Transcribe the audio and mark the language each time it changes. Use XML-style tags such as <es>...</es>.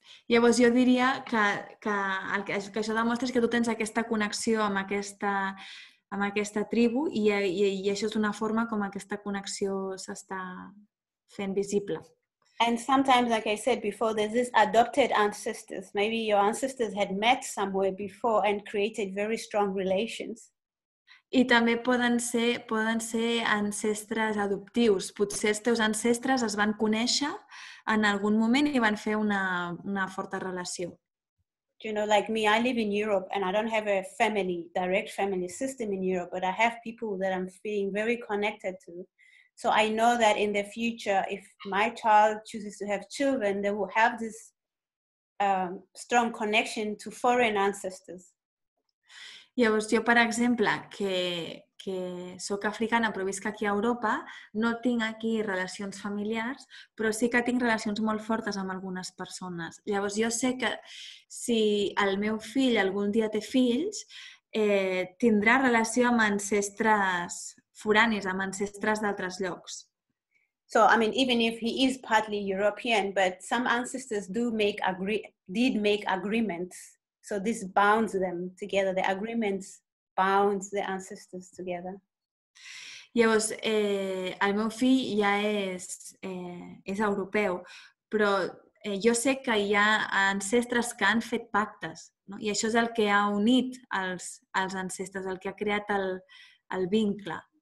<ca>Llavors jo diria que això demostra que tu tens aquesta connexió amb aquesta tribu i això és una forma com aquesta connexió s'està fent visible.</ca> <en>And sometimes, like I said before, there's this adopted ancestors. Maybe your ancestors had met somewhere before and created very strong relations.</en> <ca>I també poden ser ancestres adoptius. Potser els teus ancestres es van conèixer en algun moment i van fer una forta relació.</ca> <en>You know, like me, I live in Europe and I don't have a family, direct family system in Europe, but I have people that I'm feeling very connected to. So I know that in the future, if my child chooses to have children, they will have this strong connection to foreign ancestors.</en> <ca>Llavors, jo, per exemple, que sóc africana però visc aquí a Europa, no tinc aquí relacions familiars, però sí que tinc relacions molt fortes amb algunes persones. Llavors, jo sé que si el meu fill algun dia té fills, tindrà relació amb ancestres foranis, amb ancestres d'altres llocs.</ca> <en>So, I mean, even if he is partly European, but some ancestors did make agreements. So this bounds them together. The agreements bound the ancestors together.</en> <ca>Llavors, el meu fill ja és europeu, però jo sé que hi ha ancestres que han fet pactes, no? I això és el que ha unit els ancestres, el que ha creat el vincle.</ca>